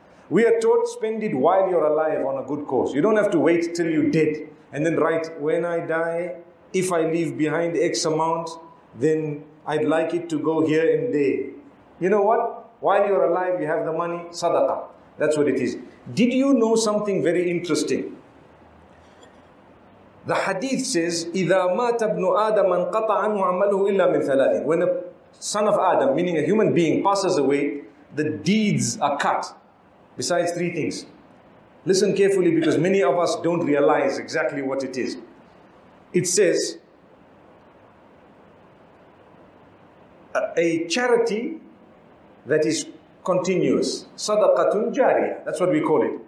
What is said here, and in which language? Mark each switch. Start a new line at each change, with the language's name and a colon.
English: We are taught spend it while you're alive on a good cause. You don't have to wait till you're dead and then write, when I die, if I leave behind X amount, then I'd like it to go here and there. You know what? While you're alive, you have the money, sadaqah. That's what it is. Did you know something very interesting? The hadith says,
Arabic: إِذَا مَاتَ ابْنُ آدَمَ انْقَطَعَ عَنْهُ عَمَلُهُ إِلَّا مِنْ ثَلَاثٍ.
English: When a son of Adam, meaning a human being, passes away, the deeds are cut, besides three things. Listen carefully, because many of us don't realize exactly what it is. It says, a charity that is continuous, sadaqatun jariyah, that's what we call it.